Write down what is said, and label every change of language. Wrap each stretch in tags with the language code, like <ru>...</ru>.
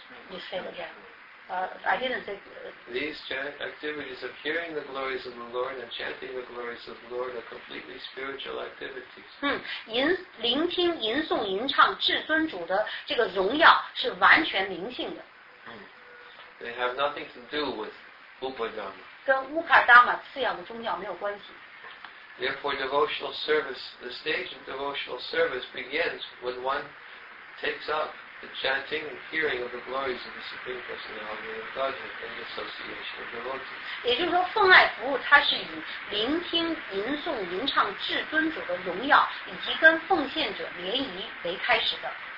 <en>These chant activities of hearing the glories of the Lord and chanting the glories of the Lord are completely spiritual activities.</en> <zh>聆听、吟诵、吟唱至尊主的这个荣耀是完全灵性的。</zh> <en>They have nothing to do with upadana.</en> <zh>跟乌卡达玛次样的宗教没有关系。</zh> <en>Therefore, devotional service, the stage of devotional service begins when one takes up the chanting and hearing of the glories of the Supreme Personality of Godhead and the association of devotees.</en> <zh>也就是说，奉爱服务它是以聆听、吟诵、吟唱至尊主的荣耀，以及跟奉献者联谊为开始的。</zh>